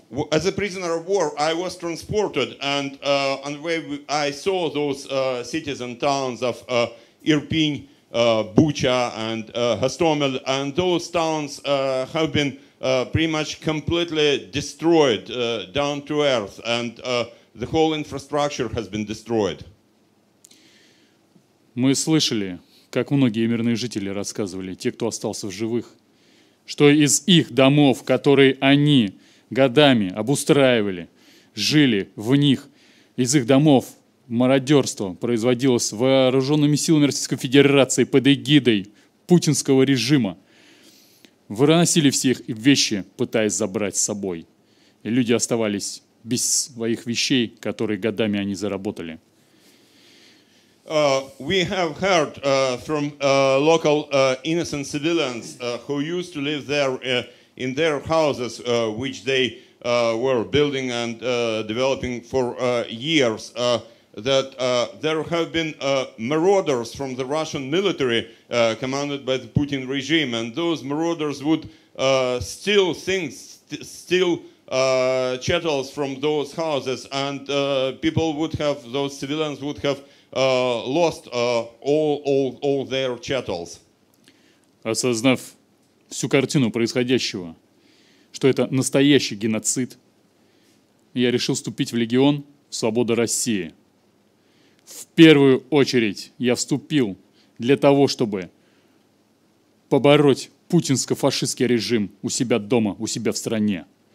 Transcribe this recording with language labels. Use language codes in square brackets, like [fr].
[en] As a prisoner of war, I was transported, and on the way I saw those cities and towns of Irpin, Bucha, and Hostomel, and those towns have been pretty much completely destroyed down to earth, and the whole infrastructure has been destroyed. [ru] Мы слышали, как многие мирные жители рассказывали, те, кто остался в живых, что из их домов, которые они годами обустраивали, жили в них, из их домов мародерство производилось вооруженными силами Российской Федерации под эгидой путинского режима. Выносили все их вещи, пытаясь забрать с собой. И люди оставались без своих вещей, которые годами они заработали. [en] We have heard from local innocent civilians who used to live there in their houses, which they were building and developing for years, that there have been marauders from the Russian military commanded by the Putin regime, and those marauders would steal things, steal chattels from those houses, and people would have, those civilians would have lost all their chattels. [ru] Осознав всю картину происходящего, что это настоящий геноцид, я решил вступить в легион «Свобода России». В первую очередь я вступил для того, чтобы побороть путинско-фашистский режим у себя дома, у себя в стране.